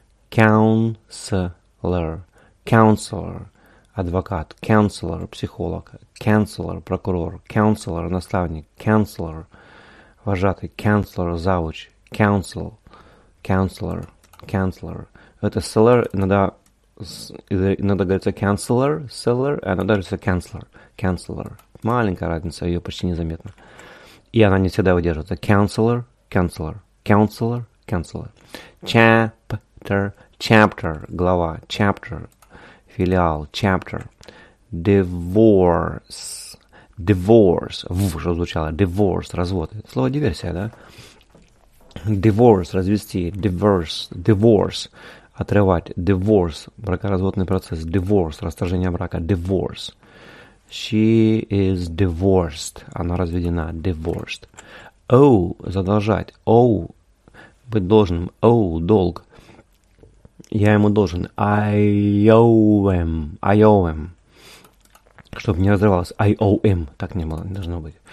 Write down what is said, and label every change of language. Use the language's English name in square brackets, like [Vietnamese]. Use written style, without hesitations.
[English] counselor, counselor, адвокат, counselor, психолог, counselor, прокурор, counselor, наставник, counselor, вожатый, counselor, завуч, counsel, counselor, counselor. [Russian] Это seller, иногда, иногда говорится counselor, seller, а иногда говорится counselor, counselor. Маленькая разница, ее почти незаметно. И она не всегда выдерживается. [English] Counselor, counselor, counselor, counselor. Chapter, chapter, глава, chapter, филиал, chapter. [Russian] Divorce, divorce, в, что звучало, divorce, развод. Слово диверсия, да? Divorce, развести, divorce, divorce, отрывать, divorce, бракоразводный процесс, divorce, расторжение брака, divorce. [English] She is divorced, [Russian] она разведена, [English] divorced. [Russian] Owe, задолжать, owe, быть должным, owe, долг. Я ему должен. [English] I owe him. I owe him. [Russian] Чтобы не разрывалось. [English] I owe him. [Russian] Так не было, не должно быть.